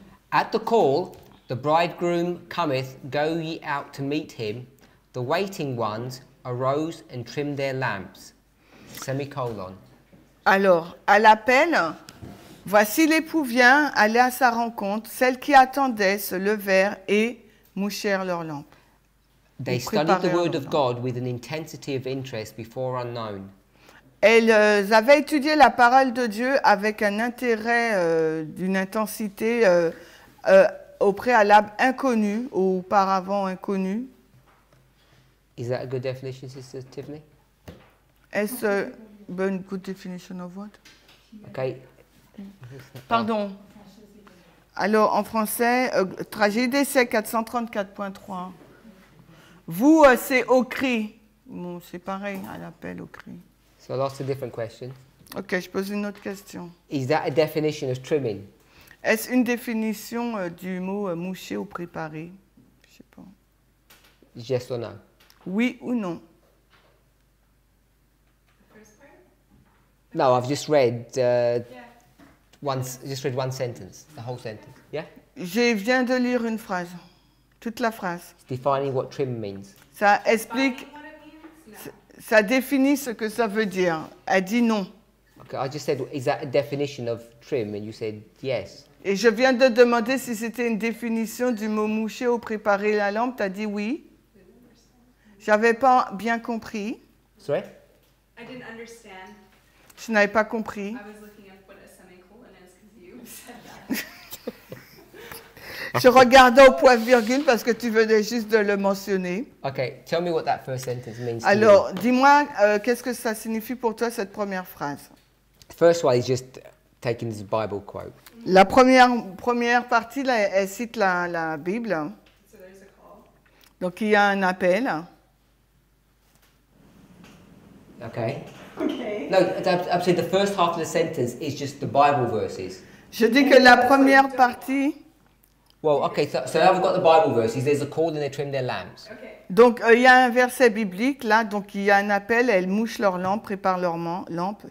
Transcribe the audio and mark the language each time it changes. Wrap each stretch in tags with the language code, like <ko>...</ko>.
<en>At the call, the bridegroom cometh, go ye out to meet him. The waiting ones arose and trimmed their lamps. Semicolon.</en> <fr>Alors, à l'appel, voici l'époux vient, allez à sa rencontre. Celles qui attendaient se levèrent et mouchèrent leurs lampes.</fr> <en>They studied the word of God with an intensity of interest before unknown.</en> <fr>Elles avaient étudié la parole de Dieu avec un intérêt d'une intensité au préalable inconnu ou auparavant inconnu.</fr> <en>Is that a good definition, Sister Tiffany?</en> <fr>Est-ce une</fr> <en>good definition of what? Okay.</en> <fr>Pardon. Alors, en français, tragédie d'essai 434.3. Vous, c'est au cri. Bon, c'est pareil, à l'appel au cri.</fr> <en>So I'll ask a different question.</en> <fr>Okay, je pose une autre question.</fr> <en>Is that a definition of trimming?</en> <fr>Est-ce une définition du mot moucher ou préparer? Je sais pas.</fr> <en>Yes or no?</en> <fr>Oui ou non?</fr> <en>No, I've just read one sentence, the whole sentence. Yeah?</en> <fr>Je viens de lire une phrase, toute la phrase.</fr> <en>It's defining what trim means.</en> <fr>Ça explique. Ça définit ce que ça veut dire. Elle dit non.</fr> <en>Okay, I just said, is that a definition of trim? And you said yes.</en> <fr>Et je viens de demander si c'était une définition du mot moucher ou préparer la lampe. Tu as dit oui. J'avais pas bien compris.</fr> <en>Sorry? I didn't understand.</en> <fr>Je n'avais pas compris.</fr> <en>I was looking at what a semicolon is.</en> <fr>Je regardais au point virgule parce que tu venais juste de le mentionner.</fr> <en>Okay, tell me what that first sentence means.</en> <fr>Alors, dis-moi qu'est-ce que ça signifie pour toi cette première phrase.</fr> <en>The first one is just taking this Bible quote.</en> <fr>La première partie là, elle cite la Bible.</fr> <en>So there's a call.</en> <fr>Donc il y a un appel.</fr> <en>Okay. Okay. No, I'm saying the first half of the sentence is just the Bible verses.</en> <fr>Je dis que la première partie.</fr> <en>Well, okay, so now we've got the Bible verses. There's a call and they trim their lamps. Okay.</en> <fr>Donc il y a un verset biblique là, donc il y a un appel, elles mouchent leurs lampes, préparent leurs lampes.</fr>